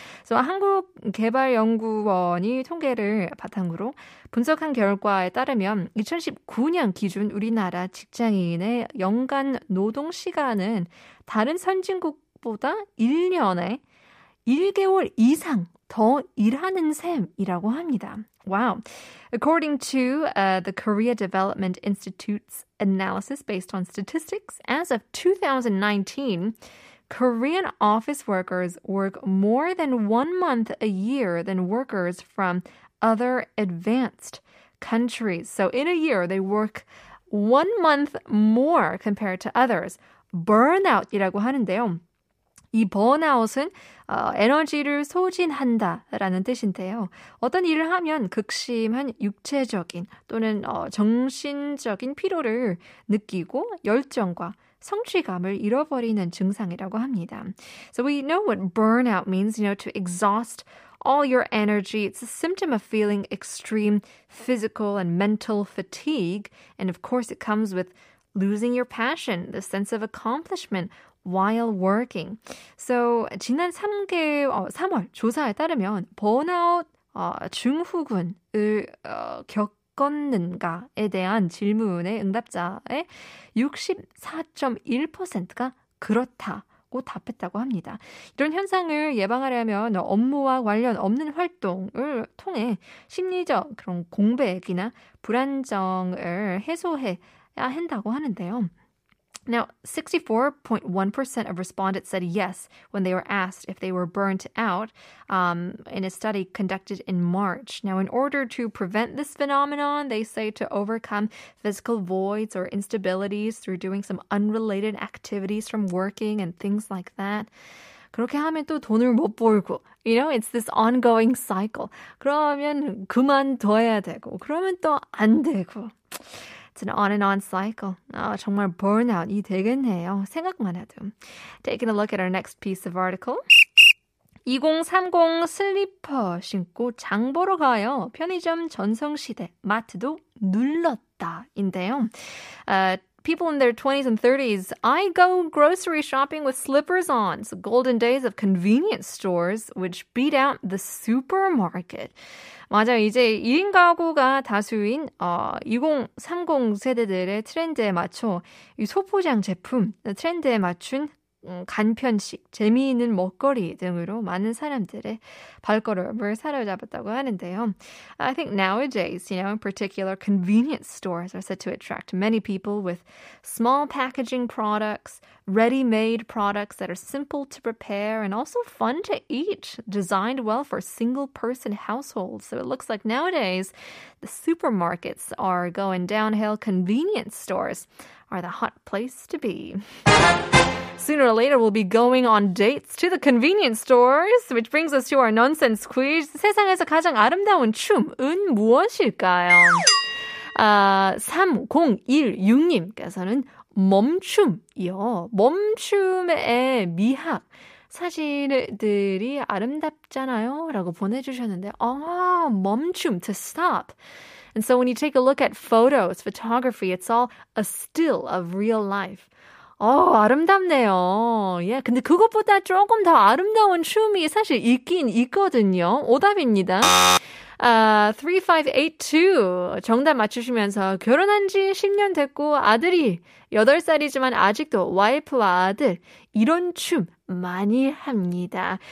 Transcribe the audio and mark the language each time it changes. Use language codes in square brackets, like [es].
[ko] So, 한국개발연구원이 통계를 바탕으로 분석한 결과에 따르면 2019년 기준 우리나라 직장인의 연간 노동시간은 다른 선진국보다 1년에 1개월 이상 더 일하는 셈이라고 합니다. [en] Wow. According to the Korea Development Institute's analysis based on statistics, as of 2019, Korean office workers work more than 1 month a year than workers from other advanced countries. So in a year, they work 1 month more compared to others. [ko] Burnout이라고 하는데요. 이 burnout은 에너지를 소진한다라는 뜻인데요. 어떤 일을 하면 극심한 육체적인 또는 정신적인 피로를 느끼고 열정과 성취감을 잃어버리는 증상이라고 합니다. [en] So we know what burnout means, you know, to exhaust all your energy. It's a symptom of feeling extreme physical and mental fatigue. And of course, it comes with losing your passion, the sense of accomplishment while working. [ko] So 지난 3월 조사에 따르면 burnout 증후군을 겪었는가에 대한 질문에 응답자의 64.1%가 그렇다고 답했다고 합니다. 이런 현상을 예방하려면 업무와 관련 없는 활동을 통해 심리적 그런 공백이나 불안정을 해소해야 한다고 하는데요. [en] Now, 64.1% of respondents said yes when they were asked if they were burnt out in a study conducted in March. Now, in order to prevent this phenomenon, they say to overcome physical voids or instabilities through doing some unrelated activities from working and things like that. [ko] 그렇게 하면 또 돈을 못 벌고, [en] you know, it's this ongoing cycle. [ko] 그러면 그만둬야 되고, 그러면 또 안 되고. [en] It's an on and on cycle. [ko] 정말 burnout이 되겠네요. 생각만 해도. [en] Taking a look at our next piece of article. [ko] 2030 슬리퍼 신고 장 보러 가요. 편의점 전성시대, 마트도 눌렀다인데요. [en] People in their 20s and 30s, I go grocery shopping with slippers on. So golden days of convenience stores, which beat out the supermarket. [ko] 맞아요. 이제 1인 가구가 다수인 2030 세대들의 트렌드에 맞춰 이 소포장 제품 트렌드에 맞춘 간편식, 재미있는 먹거리 등으로 많은 사람들의 발걸음을 사로잡았다고 하는데요. [en] I think nowadays, you know, in particular, convenience stores are said to attract many people with small packaging products, ready-made products that are simple to prepare and also fun to eat, designed well for single-person households. So it looks like nowadays, the supermarkets are going downhill. Convenience stores are the hot place to be. Sooner or later, we'll be going on dates to the convenience stores, which brings us to our nonsense quiz. [ko] 세상에서 가장 아름다운 춤은 무엇일까요? 3016님께서는 멈춤이요. 멈춤의 미학. 사진들이 아름답잖아요. 라고 보내주셨는데, 멈춤, [en] to stop. And so when you take a look at photos, photography, it's all a still of real life. [ko] 아름답네요. 예, 근데 그것보다 조금 더 아름다운 춤이 사실 있긴 있거든요. 오답입니다. 3582 정답 맞추시면서 결혼한 지 10년 됐고 아들이 8살이지만 아직도 와이프와 아들 이런 춤 많이 합니다.